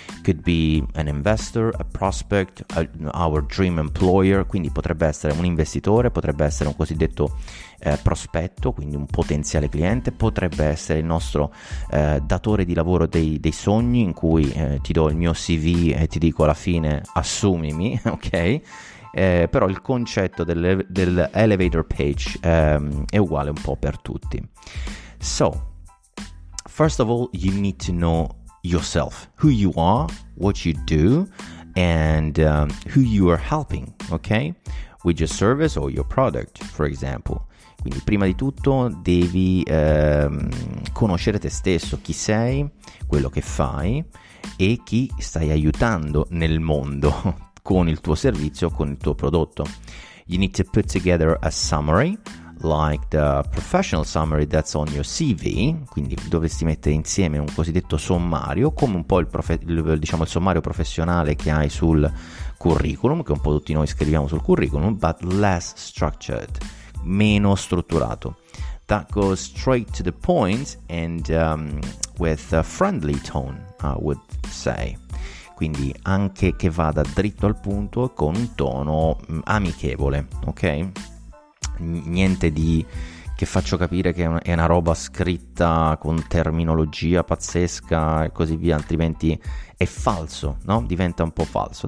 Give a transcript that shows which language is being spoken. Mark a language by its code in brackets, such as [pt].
[en] Could be an investor, a prospect, our dream employer, [it] quindi potrebbe essere un investitore, potrebbe essere un cosiddetto prospetto, quindi un potenziale cliente, potrebbe essere il nostro datore di lavoro dei sogni, in cui ti do il mio CV e ti dico alla fine assumimi, ok? Però il concetto del elevator pitch è uguale un po' per tutti. [en] So, first of all, you need to know yourself, who you are, what you do, and who you are helping, okay? With your service or your product, for example. [it] Quindi prima di tutto devi conoscere te stesso, chi sei, quello che fai e chi stai aiutando nel mondo con il tuo servizio, con il tuo prodotto. [en] You need to put together a summary, like the professional summary that's on your CV. [it] Quindi dovresti mettere insieme un cosiddetto sommario, come un po' il sommario professionale che hai sul curriculum, che un po' tutti noi scriviamo sul curriculum, [en] but less structured, [it] meno strutturato. [en] That goes straight to the point and with a friendly tone, I would say. [it] Quindi anche che vada dritto al punto con un tono amichevole, ok? Niente di che faccio capire che è una roba scritta con terminologia pazzesca e così via, altrimenti è falso, no? Diventa un po' falso.